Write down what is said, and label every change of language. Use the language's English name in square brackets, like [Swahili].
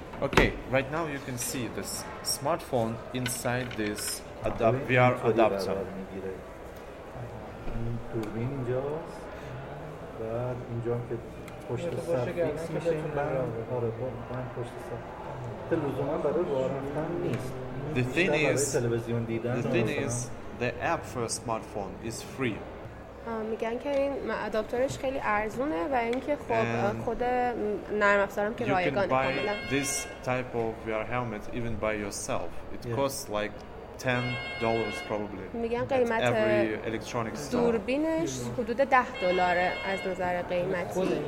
[English] Okay, right now you can see this smartphone inside this VR adapter. [Persian] این دوربین اینجاست و اینجا هم که پشت سر فیکس میشه این برای من پشت سر تلویزیون هم برای وارفتن نیست. [English] The thing is, the app for a smartphone is free. [Persian] میگن که این ادابتورش خیلی ارزونه و اینکه خود نرم افزارم که رایگانه. [English] You can buy this type of VR helmet even by yourself. It costs like $10 probably. [Persian] میگن قیمت electronics دوربینش حدود $10 از نظر قیمتی.